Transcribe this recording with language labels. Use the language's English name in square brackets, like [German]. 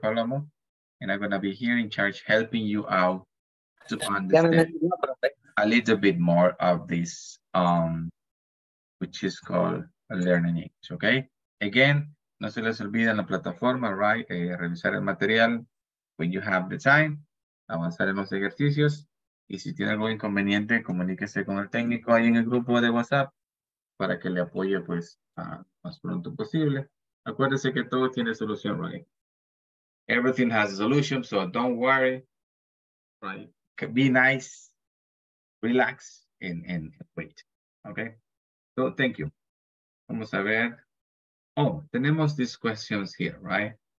[English] Palomo, and I'm going to be here in charge helping you out to understand a little bit more of this, which is called learning English, okay? [Spanish] Again, no se les olvide en la plataforma, right? Revisar el material [English] when you have the time. [Spanish] Avanzar en los ejercicios. Y si tiene algún inconveniente, comuníquese con el técnico ahí en el grupo de WhatsApp para que le apoye, pues, más pronto posible. Acuérdese que todo tiene solución, right? [English] Everything has a solution, so don't worry, right? Be nice, relax, and wait, okay? So, thank you. [Spanish] Vamos a ver. [English] Oh, tenemos these questions here, right?